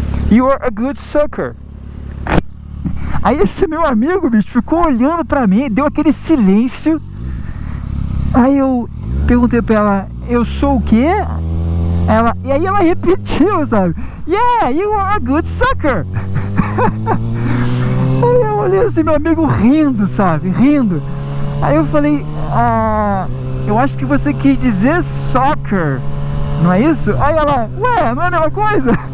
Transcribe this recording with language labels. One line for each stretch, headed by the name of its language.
English: You are a good sucker.
Portuguese: Aí esse meu amigo, bicho, ficou olhando pra mim, deu aquele silêncio. Aí eu perguntei pra ela, eu sou o quê? Ela, e aí ela repetiu, sabe?
English: Yeah, you are a good sucker.
Portuguese: Aí eu olhei assim, meu amigo rindo, sabe? Rindo. Aí eu falei, eu acho que você quis dizer soccer. Não é isso? Aí ela, ué, não é a mesma coisa?